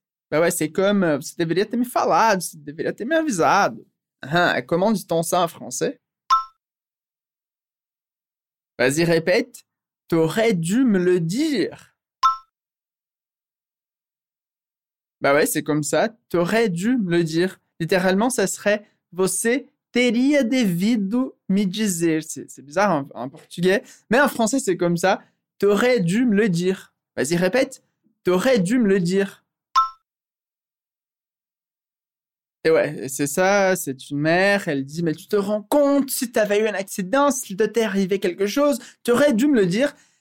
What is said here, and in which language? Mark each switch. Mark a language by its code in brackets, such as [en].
[fr] Ben ouais, c'est comme, [pt] você deveria ter me falado, você deveria ter me avisado. [fr] Hein, comment dit-on ça en français? Vas-y, répète. T'aurais dû me le dire. Bah ouais, c'est comme ça. T'aurais dû me le dire. Littéralement, ça serait [pt] Você teria devido me dizer. [fr] C'est bizarre en portugais. Mais en français, c'est comme ça. T'aurais dû me le dire. Vas-y, répète. T'aurais dû me le dire. Et ouais, c'est ça, c'est une mère, elle dit, mais tu te rends compte, si t'avais eu un accident, s'il t'était arrivé quelque chose, t'aurais dû me le dire.